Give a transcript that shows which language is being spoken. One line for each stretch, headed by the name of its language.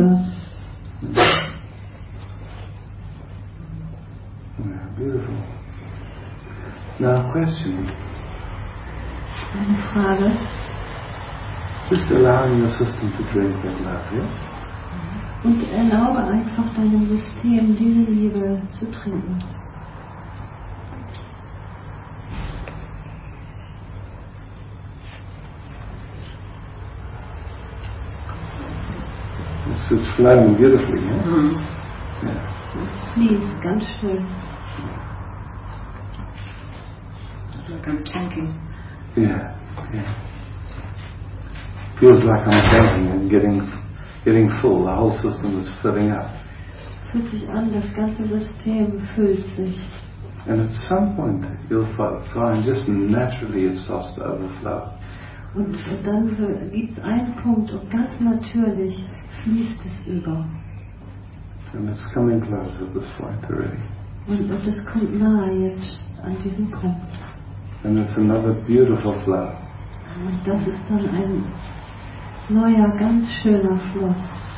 English: Yeah, beautiful. Now, a question.
German: Eine Frage.
English: Just allowing your system to drink that love, yeah?
German: Und erlaube einfach deinem System, diese Liebe zu trinken.
English: This is flowing beautifully, yeah? Mm-hmm. Yeah. Please,
German: ganz schön.
English: Like I'm tanking. Yeah, yeah. Feels like I'm tanking and getting full. The whole system is filling up.
German: Fühlt sich an, das ganze System füllt sich.
English: And at some point you'll find just naturally it starts to overflow.
German: Und dann gibt es einen Punkt und ganz natürlich fließt es über.
English: And it's coming close at this point already.
German: Und das kommt nahe jetzt an diesem Punkt.
English: And it's another beautiful flow.
German: Und das ist dann ein neuer, ganz schöner Fluss.